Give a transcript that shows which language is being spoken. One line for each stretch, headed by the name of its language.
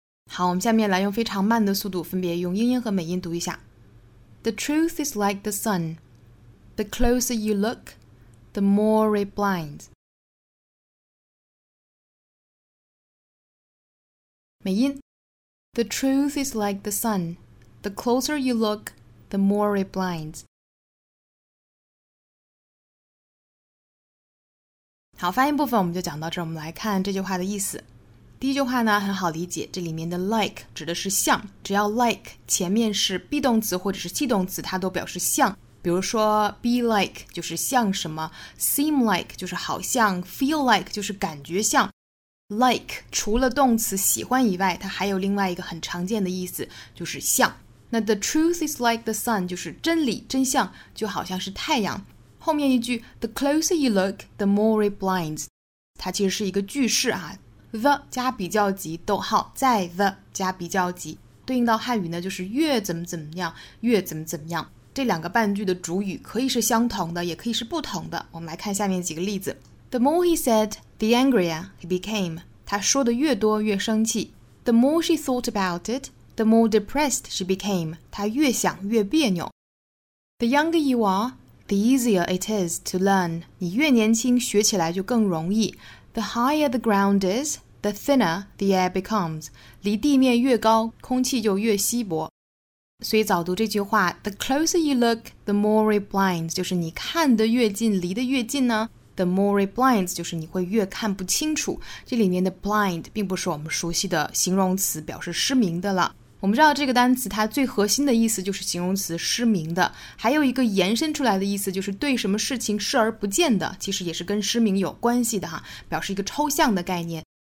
Chinese: 好，我们下面来用非常慢的速度分别用英音和美音读一下。
English: The truth is like the sun, the closer you look, the more it blinds.
Chinese: 美音
English: The truth is like the sun, the closer you look, the more it blinds.
Chinese: 好，发音部分我们就讲到这儿，我们来看这句话的意思。第一句话呢很好理解，这里面的 like 指的是像，只要 like 前面是 be 动词或者是系动词它都表示像，比如说 be like 就是像什么， seem like 就是好像， feel like 就是感觉像。 like 除了动词喜欢以外，它还有另外一个很常见的意思就是像。那 the truth is like the sun 就是真理真相，就好像是太阳。后面一句
English: The closer you look, the more it blinds.
Chinese: 它其实是一个句式啊， the 加比较级逗号，在 the 加比较级，对应到汉语呢就是越怎么怎么样，越怎么怎么样。这两个半句的主语可以是相同的，也可以是不同的。我们来看下面几个例子。
English: The more he said, the angrier he became.
Chinese: 他说的越多越生气。
English: The more she thought about it, the more depressed she became.
Chinese: 他越想越别扭。
English: The younger you are, the easier it is to learn.
Chinese: 你越年轻学起来就更容易。
English: The higher the ground is, the thinner the air becomes.
Chinese: 离地面越高，空气就越稀薄。所以早读这句话
English: The closer you look, the more it blinds
Chinese: 就是你看得越近离得越近呢
English: The more it blinds
Chinese: 就是你会越看不清楚这里面的 blind 并不是我们熟悉的形容词表示失明的了我们知道这个单词它最核心的意思就是形容词失明的还有一个延伸出来的意思就是对什么事情视而不见的其实也是跟失明有关系的哈表示一个抽象的概念